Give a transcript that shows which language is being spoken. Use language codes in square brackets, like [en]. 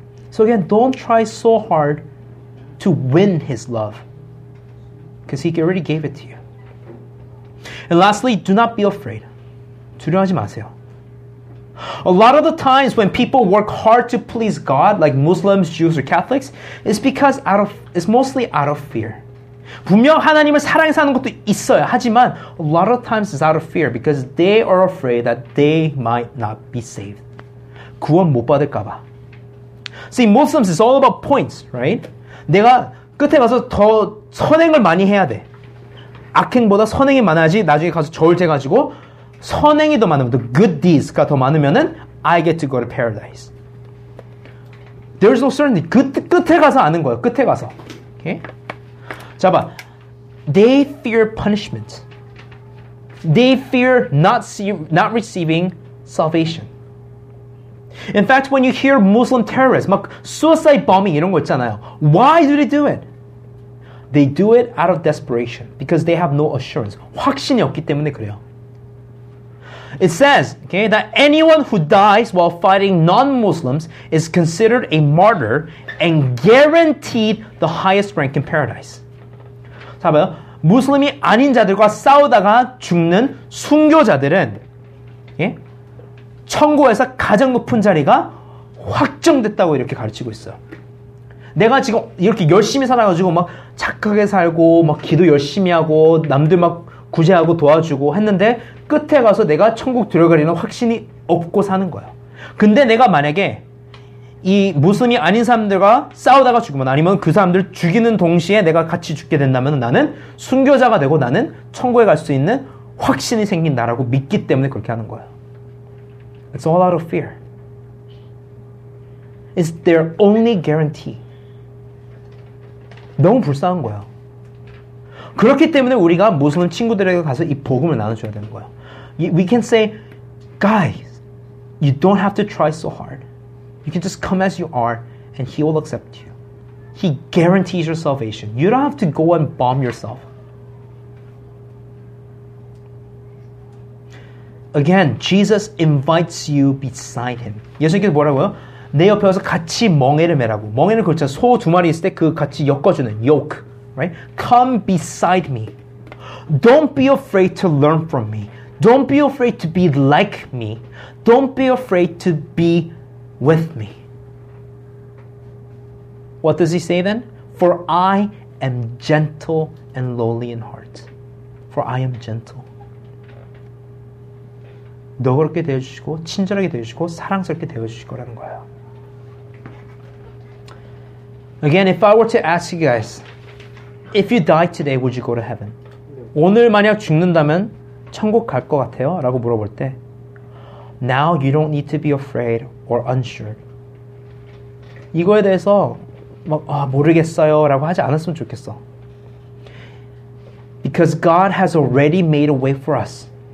[en] So again, don't try so hard to win His love, because He already gave it to you. And lastly, do not be afraid. [ko] 두려워하지 마세요. [en] A lot of the times when people work hard to please God, like Muslims, Jews, or Catholics, it's mostly out of fear. [ko] 분명 하나님을 사랑해서 하는 것도 있어요. 하지만 [en] a lot of times it's out of fear because they are afraid that they might not be saved. [ko] 구원 못 받을까봐. [en] See, Muslims is all about points, right? [ko] 내가 끝에 가서 더 선행을 많이 해야 돼. 악행보다 선행이 많아야지 나중에 가서 저울돼가지고 선행이 더 많으면, [en] the good deeds [ko] 가 더 많으면은 [en] I get to go to paradise. There's no certainty. [ko] 끝에 가서 아는 거예요. 끝에 가서. Okay? 자, 봐. [en] They fear punishment. They fear not receiving salvation. In fact, when you hear Muslim terrorists, [ko] 막 [en] suicide bombing [ko] 이런 거 있잖아요. [en] Why do they do it? They do it out of desperation because they have no assurance. [ko] 확신이 없기 때문에 그래요. [en] It says, okay, that anyone who dies while fighting non-Muslims is considered a martyr and guaranteed the highest rank in paradise. [ko] 자, 봐요. 무슬림이 아닌 자들과 싸우다가 죽는 순교자들은, 예? 천국에서 가장 높은 자리가 확정됐다고 이렇게 가르치고 있어. 내가 지금 이렇게 열심히 살아가지고 막 착하게 살고, 막 기도 열심히 하고, 남들 막 구제하고 도와주고 했는데, 끝에 가서 내가 천국 들어가리는 확신이 없고 사는 거야. 근데 내가 만약에 이 무슬림이 아닌 사람들과 싸우다가 죽으면 아니면 그 사람들 죽이는 동시에 내가 같이 죽게 된다면 나는 순교자가 되고 나는 천국에 갈 수 있는 확신이 생긴다라고 믿기 때문에 그렇게 하는 거야. [en] It's all out of fear. It's their only guarantee. [ko] 너무 불쌍한 거야. 그렇기 때문에 우리가 무슬림 친구들에게 가서 이 복음을 나눠줘야 되는 거야. [en] We can say, guys, you don't have to try so hard. You can just come as you are and He will accept you. He guarantees your salvation. You don't have to go and bomb yourself. Again, Jesus invites you beside Him. [ko] 예수님께서 뭐라고요? 내 옆에 와서 같이 멍에를 메라고. 멍에는 그렇죠. 소 두 마리 있을 때 그 같이 엮어주는 yoke. Right? [en] Come beside me. Don't be afraid to learn from me. Don't be afraid to be like me. Don't be afraid to be with me. What does he say then? For I am gentle and lowly in heart. For I am gentle. [ko] 너그럽게 대해주시고 친절하게 대해주시고 사랑스럽게 대해주실 거라는 거예요. [en] Again, if I were to ask you guys, if you die today, would you go to heaven? [ko] 오늘 만약 죽는다면 천국 갈 것 같아요? 라고 물어볼 때 [en] Now you don't need to be afraid or unsure. [ko] 이거에 대해서 막 모르겠어요 라고 하지 않았으면 좋겠어. [en] Because God has already made a way for us.